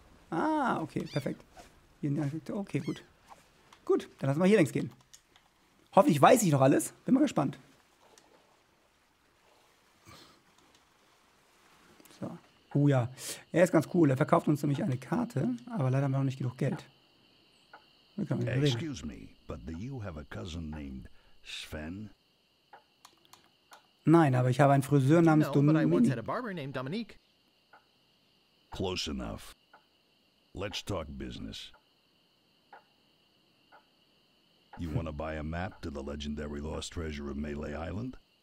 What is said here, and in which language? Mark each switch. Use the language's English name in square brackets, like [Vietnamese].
[German] Ah, okay, perfekt. Okay, gut. Gut, dann lassen wir hier längs gehen. Hoffentlich weiß ich noch alles. Bin mal gespannt. So. Oh ja, er ist ganz cool. Er verkauft uns nämlich eine Karte, aber leider haben wir noch nicht genug Geld. Wir können nicht reden. [English] Excuse me, but do you have a cousin named Sven? [German] Nein, aber ich habe einen Friseur namens Dominique. [English] No, but I once had a barber named Dominique. Close enough. Let's talk business. You want to buy a map to the legendary lost treasure of Mêlée Island?